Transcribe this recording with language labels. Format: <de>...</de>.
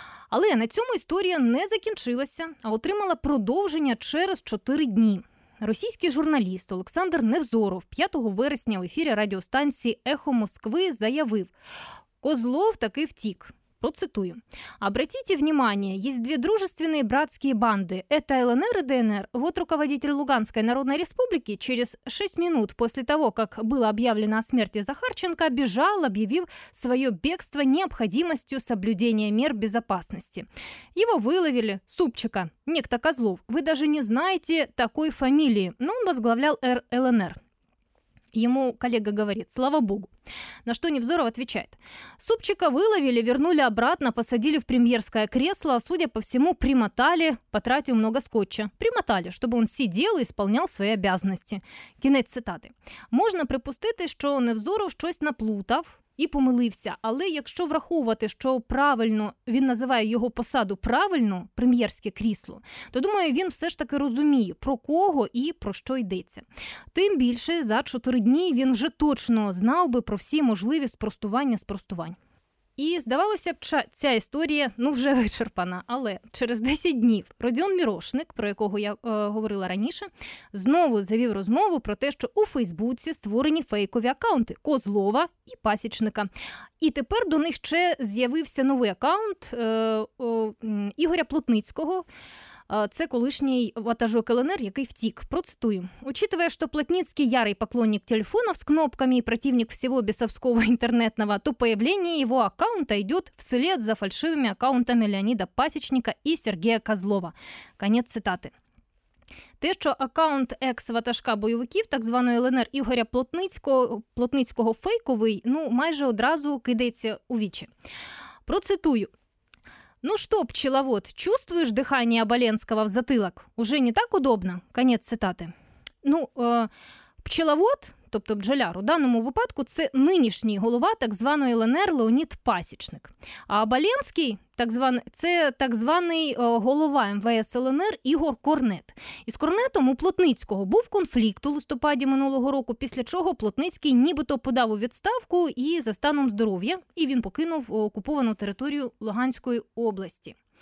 <uk>Але на цьому історія не закінчилася, а отримала продовження через 4 дні. Російський журналіст Олександр Невзоров 5 вересня в ефірі радіостанції «Ехо Москви» заявив: «Козлов таки втік». Процитую.</uk> <ru>«Обратите внимание, есть две дружественные братские банды. Это ЛНР и ДНР. Вот руководитель Луганской Народной Республики через 6 минут после того, как было объявлено о смерти Захарченко, бежал, объявив свое бегство необходимостью соблюдения мер безопасности. Его выловили, супчика, некто Козлов. Вы даже не знаете такой фамилии, но он возглавлял ЛНР». Ему коллега говорит: «Слава Богу». На что Невзоров отвечает: «Супчика выловили, вернули обратно, посадили в премьерское кресло, судя по всему, примотали, потратив много скотча. Примотали, чтобы он сидел и исполнял свои обязанности».</ru> <uk>Кінець цитати. Можна припустити, що Невзоров щось наплутав і помилився, але якщо враховувати, що правильно він називає його посаду правильно, прем'єрське крісло, то, думаю, він все ж таки розуміє, про кого і про що йдеться. Тим більше, за 4 дні він вже точно знав би про всі можливі спростувань. І, здавалося б, ця історія вже вичерпана, але через 10 днів Родіон Мірошник, про якого я говорила раніше, знову завів розмову про те, що у Фейсбуці створені фейкові акаунти Козлова і Пасічника. І тепер до них ще з'явився новий акаунт Ігоря Плотницького. Це колишній ватажок ЛНР, який втік. Процитую.</uk> <ru>«Учитывая, что Плотницкий ярый поклонник телефонов с кнопками и противник всего бесовского интернетного, то появление его аккаунта идет вслед за фальшивыми аккаунтами Леонида Пасечника и Сергея Козлова». Конец цитаты.</ru> <uk>Те, що акаунт екс-ватажка бойовиків, так званої ЛНР, Ігоря Плотницького фейковий, майже одразу кидається у вічі. Процитую.</uk> <ru>«Ну что, пчеловод, чувствуешь дыхание Оболенского в затылок? Уже не так удобно?» Конец цитаты.</ru> <uk>Пчеловод, тобто бджоляр, у даному випадку це нинішній голова так званої ЛНР Леонід Пасічник. А Оболенський це так званий голова МВС ЛНР Ігор Корнет. Із Корнетом у Плотницького був конфлікт у листопаді минулого року, після чого Плотницький нібито подав у відставку і за станом здоров'я, і він покинув окуповану територію Луганської області.</uk>